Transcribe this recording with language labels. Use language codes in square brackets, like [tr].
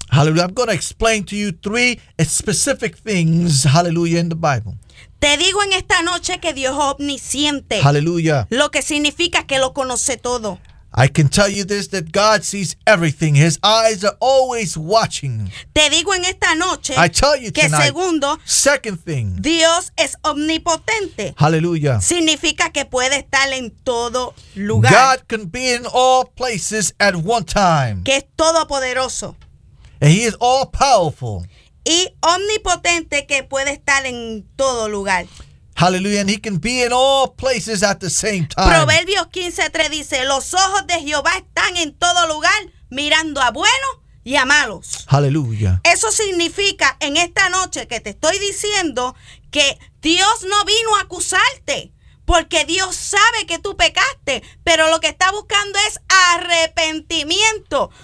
[en] Hallelujah. I'm going to explain to you three specific things, hallelujah, in the Bible. [es] Te digo en esta noche que Dios es omnisciente. [en] Hallelujah. [es] Lo que significa que lo conoce todo. [en] I can tell you this, that God sees everything. His eyes are always watching. [es] Te digo en esta noche. [en] I tell you [es] que [en] tonight. [es] Segundo, [en] second thing. [es] Dios es omnipotente. [en] Hallelujah. [es] Significa que puede estar en todo lugar. [en] God can be in all places at one time. [es] Que es todopoderoso. [en] And he is all powerful. [es] Y omnipotente, que puede estar en todo lugar. [en] Hallelujah, and he can be in all places at the same time. [es] Proverbios 15:3 dice, los ojos de Jehová están en todo lugar, mirando a buenos y a malos. [en] Hallelujah. [es] Eso significa en esta noche que te estoy diciendo que Dios no vino a acusarte, porque Dios sabe que tú pecaste, pero lo que está buscando es arrepentimiento.